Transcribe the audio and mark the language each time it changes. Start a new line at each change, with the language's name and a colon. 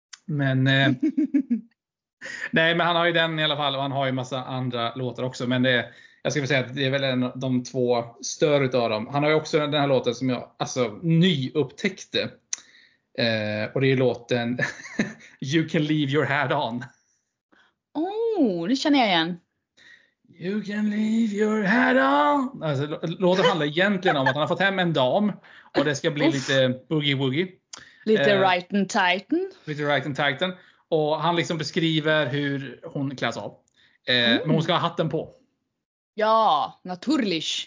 Swedish: Men nej, men han har ju den i alla fall, och han har ju massa andra låtar också, men det, jag ska väl säga att det är väl en av de två större utav dem. Han har ju också den här låten som jag alltså nyupptäckte. Och det är låten You Can Leave Your Hat On. Oh, det känner jag igen.
English: You can leave your hat on.
Swedish: Alltså, låten handlar egentligen om att han har fått hem en dam och det ska bli lite boogie-woogie. Lite right and titan. Lite right and titan. Och han liksom beskriver hur hon kläs av. Men hon ska ha hatten på. Ja, naturligt.